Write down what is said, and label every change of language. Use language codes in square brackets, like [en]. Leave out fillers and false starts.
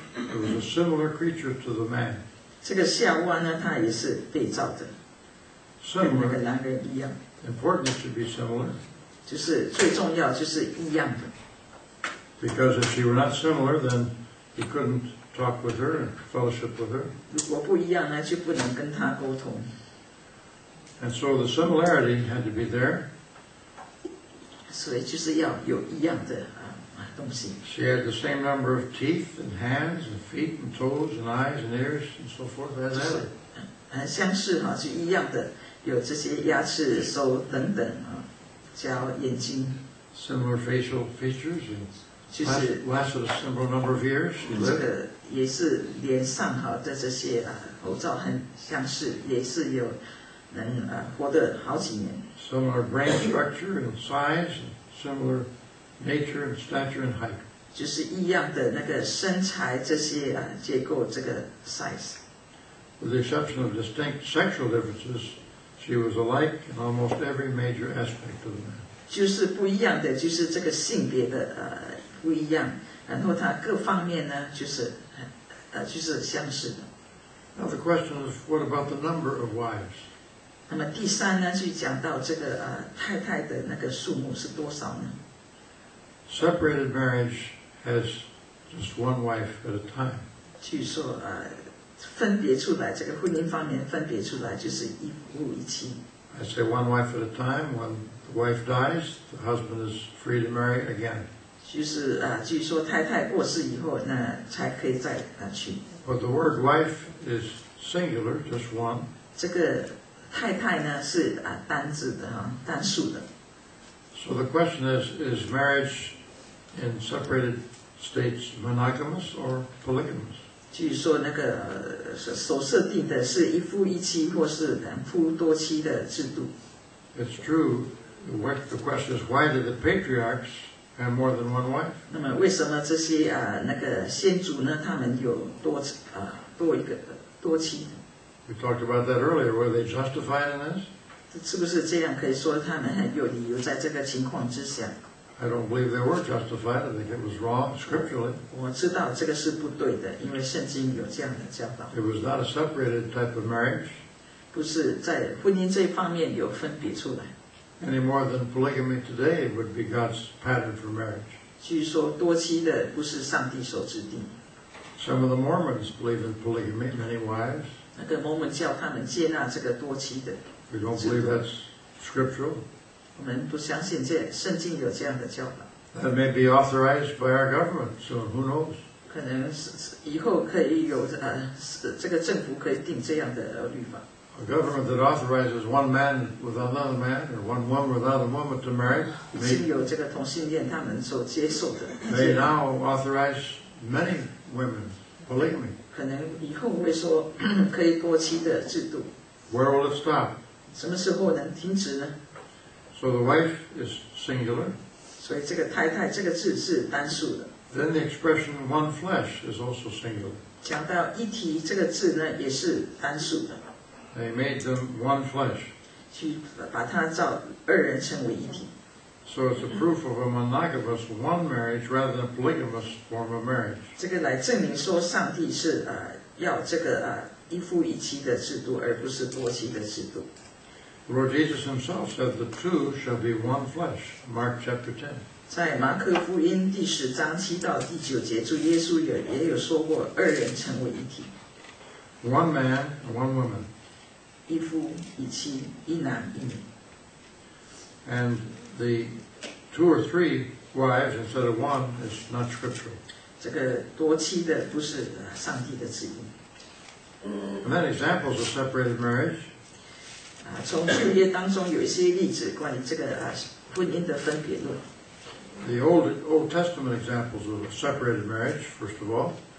[en] It was a similar creature to the man. [zh] 这个夏娃呢，她也是被造的， [en] similar, [zh] 跟那个男人一样。 [en] Important to be similar. [zh] 就是最重要就是一样的。 [en] Because if she were not similar, then he couldn't talk with her and fellowship with her. [zh] 如果不一样呢，就不能跟她沟通。 [en] And so the similarity had to be there. [zh] 所以就是要有一样的东西。 [en] She had the same number of teeth and hands and feet and toes and eyes and ears and so forth as Adam. [zh] 相似哈，是一样的，有这些牙齿、手等等啊，脚、眼睛。 [en] Similar facial features and [zh] 就是 [en] lasted a similar number of years. [zh] 这个也是脸上哈的这些啊，口罩很相似，也是有能啊活得好几年。 [en] Similar brain structure and size, and similar nature and stature and height. [zh] 就是一样的那个身材这些啊结构这个 size. [en] With the exception of distinct sexual differences, she was alike in almost every major aspect of the man. [zh] 就是不一样的，就是这个性别的不一样，然后他各方面呢，就是相似的。 [en] Now the question is, what about the number of wives? [zh] 那么第三呢，就讲到这个太太的那个数目是多少呢 [en] ？Separated marriage has just one wife at a time. [zh] 据说分别出来这个婚姻方面分别出来就是一夫一妻。 [en] I say one wife at a time. When the wife dies, the husband is free to marry again. [zh] 就是据说太太过世以后，那才可以再娶。 [en] But the word wife is singular, just one. [zh] 这个太太呢是单字的哈，单数的。 [en] So the question is marriage in separated states monogamous or polygamous? [zh] 据说那个所设定的是一夫一妻或是两夫多妻的制度。 [en] It's true. What the question is, why did the patriarchs? And more than one wife. [zh] 那么为什么这些那个先祖呢？他们有多多一个多妻 [en] ？We talked about that earlier. Were they justified in this? [zh] 是不是这样可以说他们很有理由在这个情况之下 [en] ？I don't believe they were justified. I think it was wrong scripturally. [zh] 我知道这个是不对的，因为圣经有这样的教导。 [en] It was not a separated type of marriage. [zh] 不是在婚姻这方面有分别出来。 [en] Any more than polygamy today would be God's pattern for marriage. [zh] 据说多妻的不是上帝所制定。 [en] Some of the Mormons believe in polygamy, many wives. [zh] 那个摩门教他们接纳这个多妻的。 [en] We don't believe that's scriptural. [zh] 我们不相信这圣经有这样的教导。 [en] That may be authorized by our government, so who knows? [zh] 可能以后可以有这个政府可以定这样的律法。 [en] A government that authorizes one man with another man, or one woman without a woman to marry, may now authorize many women polygamy. [zh] 可能以后会说可以多妻的制度。 [en] Where will it stop? [zh] 什么时候能停止呢 [en] ？So the wife is singular. [zh] 所以这个太太这个字是单数的。 [en] Then the expression "one flesh" is also singular. [zh] 讲到一体这个字呢，也是单数的。 [en] They made them one flesh. [zh] 去把他造二人成为一体。 [en] So it's a proof of a monogamous one marriage rather than a polygamous form of marriage. [zh] 这个来证明说上帝是要这个一夫一妻的制度，而不是多妻的制度。 [en] Lord Jesus Himself said, "The two shall be one flesh." Mark chapter 10. [zh] 在马可福音第十章七到第九节，主耶稣也有说过二人成为一体。 [en] One man, one woman. [zh] 一夫一妻，一男一女。 [en] And the two or three wives instead of one is not scriptural. [zh] 这个多妻的不是上帝的旨意。 [en] And then examples of separated marriage. [zh] 从旧约当中有一些例子关于这个婚姻的分别论。 [en] The Old Testament examples of separated marriage, first of all.